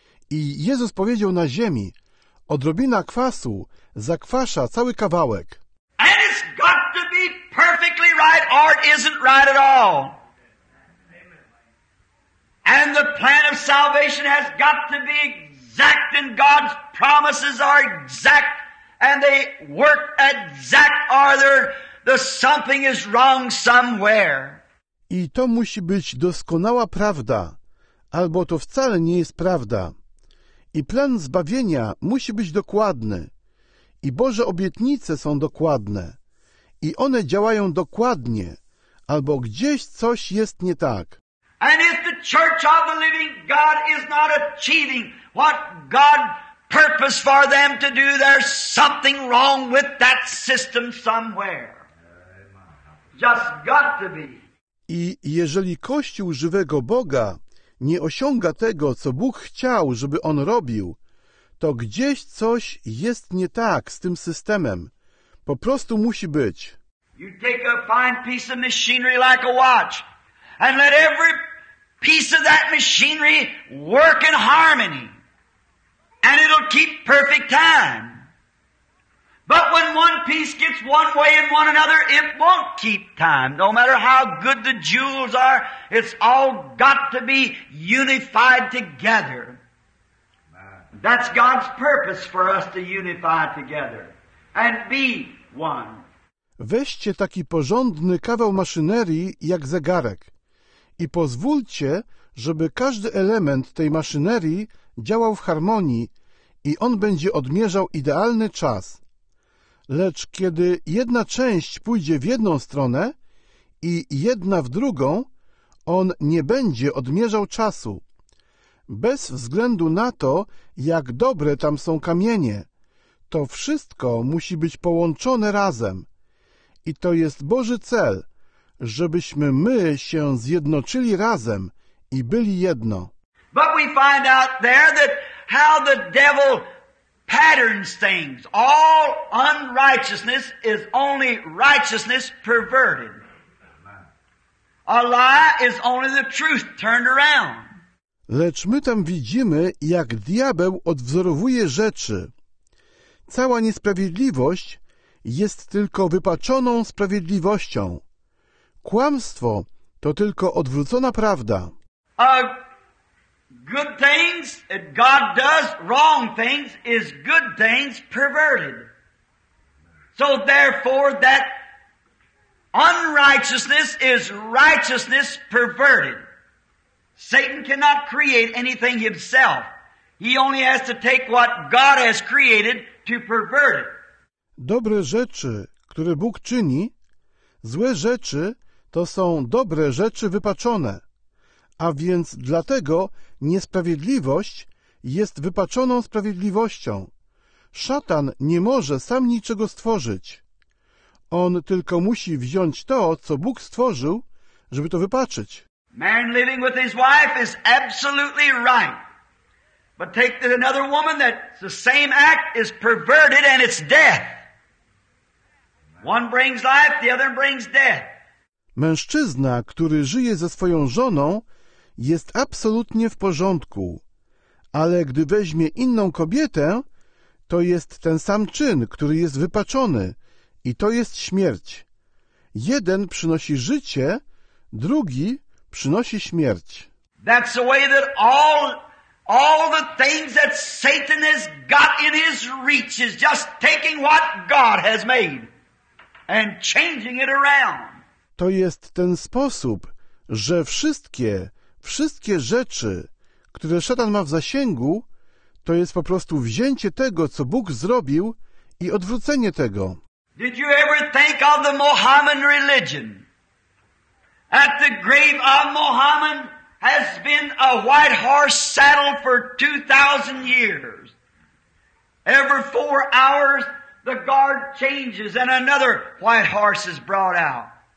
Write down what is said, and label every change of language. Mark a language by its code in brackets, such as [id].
[pl] I Jezus powiedział na ziemi, odrobina kwasu zakwasza cały kawałek. [en] And it's got to be perfectly right or it isn't right at all. And the plan of salvation has got to be exact and God's promises are exact and they work exact or the something is wrong somewhere. [pl] I to musi być doskonała prawda, albo to wcale nie jest prawda. I plan zbawienia musi być dokładny. I Boże obietnice są dokładne. I one działają dokładnie, albo gdzieś coś jest nie tak. [en] And if the church of the living God is not achieving what God purposed for them to do, there's something wrong with that system somewhere. Just got to be. [pl] I jeżeli Kościół żywego Boga nie osiąga tego, co Bóg chciał, żeby on robił, to gdzieś coś jest nie tak z tym systemem. Po prostu musi być. [en] You take a fine piece of machinery like a watch and let every piece of that machinery work in harmony and it'll keep perfect time. But when one piece gets one way and one another, it won't keep time. No matter how good the jewels are, it's all got to be unified together. That's God's purpose for us to unify together and be one. [pl] Weźcie taki porządny kawał maszynerii jak zegarek. I pozwólcie, żeby każdy element tej maszynerii działał w harmonii i on będzie odmierzał idealny czas. Lecz kiedy jedna część pójdzie w jedną stronę i jedna w drugą, on nie będzie odmierzał czasu. Bez względu na to, jak dobre tam są kamienie, to wszystko musi być połączone razem. I to jest Boży cel. Żebyśmy my się zjednoczyli razem i byli jedno. [en] But we find out there that how the devil patterns things. All unrighteousness is only righteousness perverted. Amen. A lie is only the truth turned around. [pl] Lecz my tam widzimy, jak diabeł odwzorowuje rzeczy. Cała niesprawiedliwość jest tylko wypaczoną sprawiedliwością. Kłamstwo to tylko odwrócona prawda. [en] Good things that God does, wrong things is good things perverted. So therefore that unrighteousness is righteousness perverted. Satan cannot create anything himself. He only has to take what God has created to pervert it. [pl] Dobre rzeczy, które Bóg czyni, złe rzeczy to są dobre rzeczy wypaczone. A więc dlatego niesprawiedliwość jest wypaczoną sprawiedliwością. Szatan nie może sam niczego stworzyć. On tylko musi wziąć to, co Bóg stworzył, żeby to wypaczyć. [en] Man living with his wife is absolutely right. But take another woman that the same act is perverted and it's death. One brings life, the other brings death. [pl] Mężczyzna, który żyje ze swoją żoną, jest absolutnie w porządku. Ale gdy weźmie inną kobietę, to jest ten sam czyn, który jest wypaczony. I to jest śmierć. Jeden przynosi życie, drugi przynosi śmierć. [en] That's the way that all the things that Satan has got in his reach is just taking what God has made and changing it around. [pl] To jest ten sposób, że wszystkie rzeczy, które szatan ma w zasięgu, to jest po prostu wzięcie tego, co Bóg zrobił i odwrócenie tego. [en] Did you ever think of the Mohammedan religion? At the grave of Mohammed has been a white horse saddle for 2,000 years. Every 4 hours, the guard changes and another white horse is brought out.